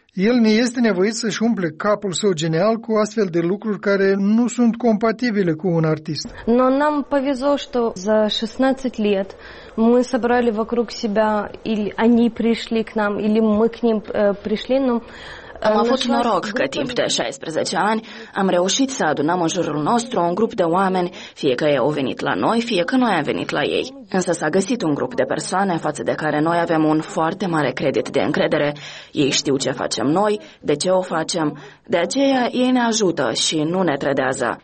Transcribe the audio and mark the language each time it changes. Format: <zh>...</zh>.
<ro>El ne este nevoit să-și umple capul său genial cu astfel de lucruri care nu sunt compatibile cu un artist.</ro> <ru>Но нам повезло, что за 16 лет мы собрали вокруг себя, или они пришли к нам, или мы к ним пришли, но...</ru> <ro>Am avut noroc că timp de 16 ani am reușit să adunăm în jurul nostru un grup de oameni, fie că ei au venit la noi, fie că noi am venit la ei. Însă s-a găsit un grup de persoane față de care noi avem un foarte mare credit de încredere. Ei știu ce facem noi, de ce o facem. De aceea ei ne ajută și nu ne trădează.</ro>